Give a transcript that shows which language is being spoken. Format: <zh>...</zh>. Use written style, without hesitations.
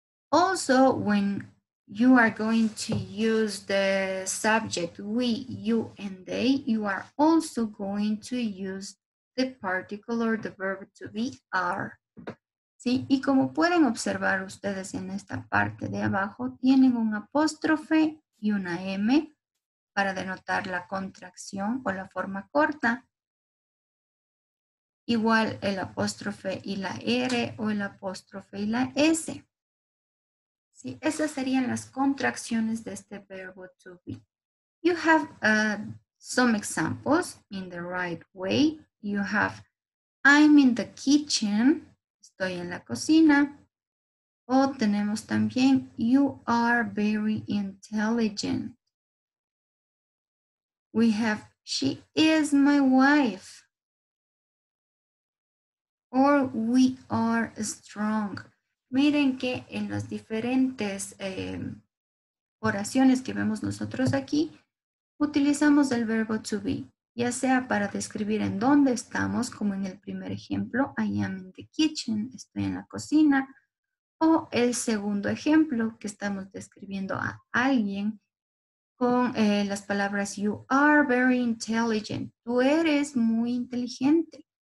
<en>Also, when you are going to use the subject we, you, and they, you are also going to use the particle or the verb to be are.</en> <es>¿Sí? Y como pueden observar ustedes en esta parte de abajo, tienen un apóstrofe y una M para denotar la contracción o la forma corta. Igual el apóstrofe y la R o el apóstrofe y la S. Sí, esas serían las contracciones de este verbo to be.</es> <en>You have some examples in the right way. You have I'm in the kitchen.</en> <es>Estoy en la cocina. O tenemos también</es> <en>you are very intelligent. We have she is my wife. Or we are strong.</en> <es>Miren que en las diferentes oraciones que vemos nosotros aquí, utilizamos el verbo to be, ya sea para describir en dónde estamos, como en el primer ejemplo,</es> <en>I am in the kitchen,</en> <es>estoy en la cocina, o el segundo ejemplo, que estamos describiendo a alguien, con las palabras</es> <en>you are very intelligent,</en> <es>tú eres muy inteligente.</es>